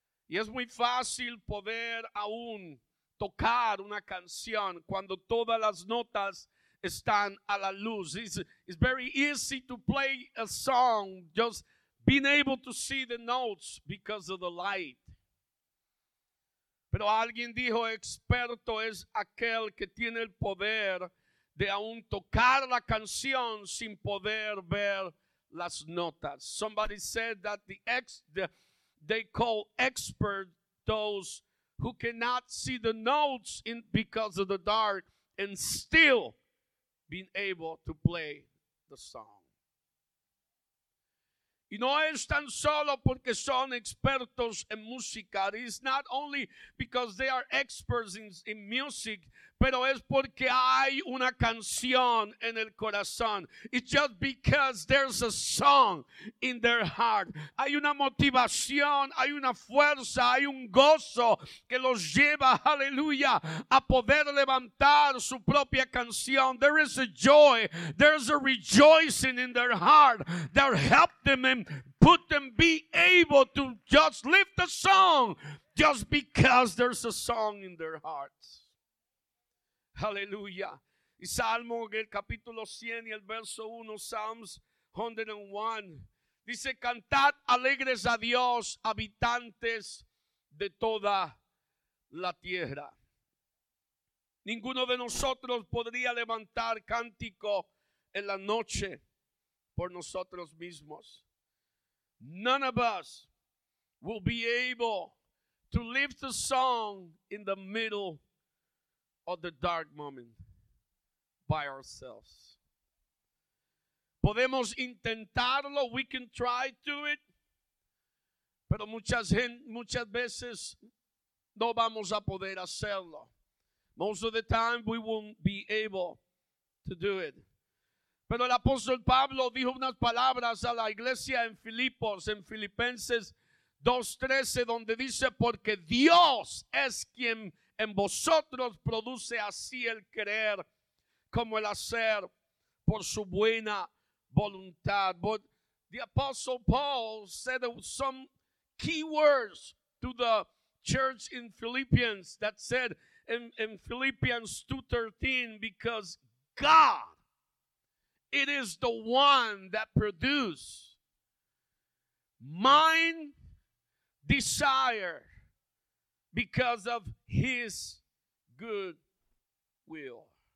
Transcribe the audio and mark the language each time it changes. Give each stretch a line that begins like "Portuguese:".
Spanish: Y es muy fácil poder aún tocar una canción cuando todas las notas están a la luz.
English: It's very easy to play a song just being able to see the notes because of the light.
Spanish: Pero alguien dijo, experto es aquel que tiene el poder de aún tocar la canción sin poder ver las notas.
English: Somebody said that they call expert those who cannot see the notes in because of the dark and still being able to play the song.
Spanish: Y no es tan solo porque son expertos en música.
English: It's not only because they are experts in music,
Spanish: pero es porque hay una canción en el corazón.
English: It's just because there's a song in their heart.
Spanish: Hay una motivación, hay una fuerza, hay un gozo que los lleva, aleluya, a poder levantar su propia canción.
English: There is a joy, there's a rejoicing in their heart that helped them and put them be able to just lift a song just because there's a song in their hearts.
Spanish: Aleluya. Y Salmo el capítulo 100 y el verso 1, Psalms 101, dice, cantad alegres a Dios, habitantes de toda la tierra. Ninguno de nosotros podría levantar cántico en la noche por nosotros mismos.
English: None of us will be able to lift a song in the middle of the dark moment by ourselves.
Spanish: Podemos intentarlo,
English: we can try to it,
Spanish: pero muchas veces no vamos a poder hacerlo.
English: Most of the time we won't be able to do it.
Spanish: Pero el apóstol Pablo dijo unas palabras a la iglesia en Filipos, en Filipenses 2:13, donde dice, porque Dios es quien en vosotros produce así el querer como el hacer por su buena voluntad.
English: But the apostle Paul said some key words to the church in Philippians that said in Philippians 2:13, because God, it is the one that produces mine desire because of his good will.